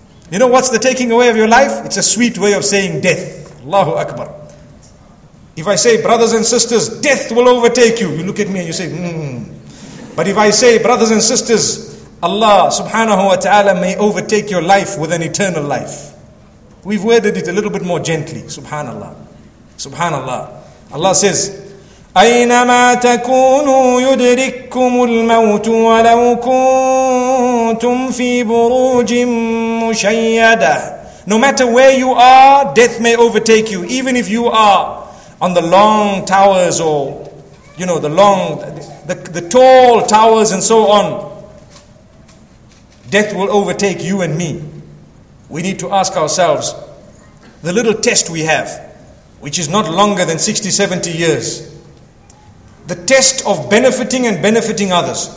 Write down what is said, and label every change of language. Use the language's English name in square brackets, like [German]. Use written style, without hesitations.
[English] You know what's the taking away of your life? It's a sweet way of saying death. Allahu Akbar. If I say, brothers and sisters, death will overtake you, you look at me and you say, But if I say, brothers and sisters, Allah subhanahu wa ta'ala may overtake your life with an eternal life. We've worded it a little bit more gently. Subhanallah. Subhanallah. Allah says, [Arabic] أَيْنَمَا تَكُونُوا يُدْرِكُّمُ الْمَوْتُ وَلَوْ كُنْتُمْ فِي بُرُوجٍ مُشَيَّدَةٍ. [English] No matter where you are, death may overtake you. Even if you are on the long towers or you know, the long, the tall towers and so on. Death will overtake you and me. We need to ask ourselves, the little test we have, which is not longer than 60, 70 years, the test of benefiting and benefiting others.